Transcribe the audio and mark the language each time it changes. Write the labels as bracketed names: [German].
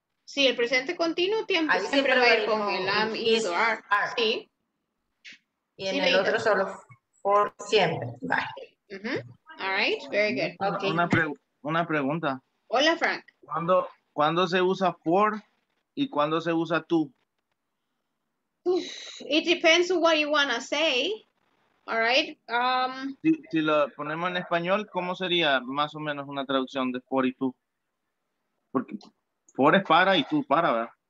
[Spanish] Sí, el presente continuo tiempo, siempre, siempre va a ir con el am, is, o are. Sí. Y en sí, el otro solo for siempre. [English] Bye. Uh-huh. All right. Very good. Okay. [Spanish] Una pregunta. Hola, Frank. ¿Cuándo se usa for y cuándo se usa to? [English] It depends on what you want to say. All right. [Spanish] Si lo ponemos en español, ¿cómo sería más o menos una traducción de for y to? Porque for es para y to para, ¿verdad?